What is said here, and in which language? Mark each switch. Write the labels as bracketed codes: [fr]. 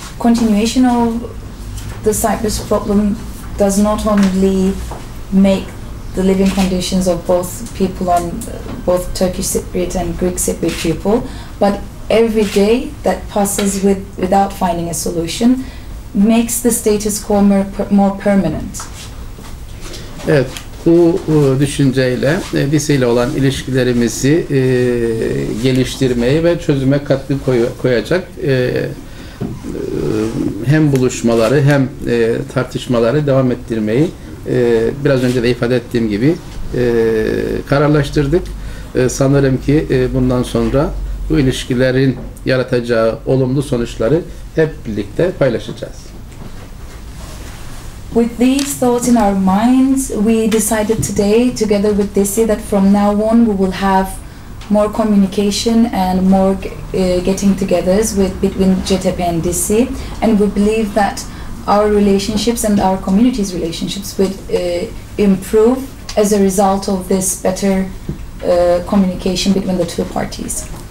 [en] Continuation of the Cyprus problem does not only make the living conditions of both people on both Turkish Cypriot and Greek Cypriot people, but every day that passes without finding a solution makes the status quo more permanent. [tr] Evet, bu düşünceyle liseyle olan ilişkilerimizi geliştirmeyi ve çözüme katkı koyacak hem buluşmaları hem tartışmaları devam ettirmeyi biraz önce de ifade ettiğim gibi kararlaştırdık. Sanırım ki bundan sonra bu ilişkilerin yaratacağı olumlu sonuçları hep birlikte paylaşacağız. [en] With these thoughts in our minds, we decided today, together with Desi, that from now on we will have more communication and more getting togethers with between JTP and Desi, and we believe that our relationships and our community's relationships would improve as a result of this better communication between the two parties.